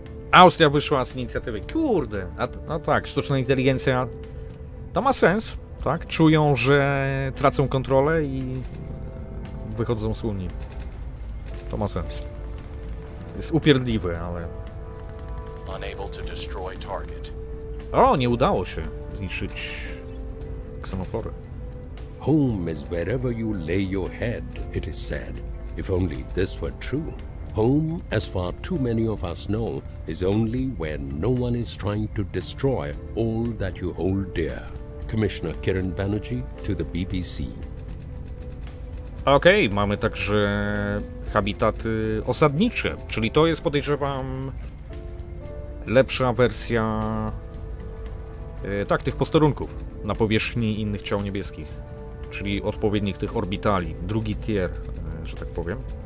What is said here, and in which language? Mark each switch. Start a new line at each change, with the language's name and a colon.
Polish: Austria wyszła z inicjatywy. Kurde! No tak, sztuczna inteligencja. To ma sens. To tak? Czują, że tracą kontrolę i wychodzą z Unii. To ma sens. Jest upierdliwe, ale...
English: Unable to destroy target.
Polish: O, nie udało się zniszczyć ksenofory.
English: Home is wherever you lay your head, it is said. If only this were true. Home, as far too many of us know, is only where no one is trying to destroy all that you hold dear. Commissioner Kiran Banerjee to the BBC.
Polish: Okej, okay, mamy także habitaty osadnicze, czyli to jest, podejrzewam, lepsza wersja tak, tych posterunków na powierzchni innych ciał niebieskich, czyli odpowiednich tych orbitali, drugi tier, że tak powiem.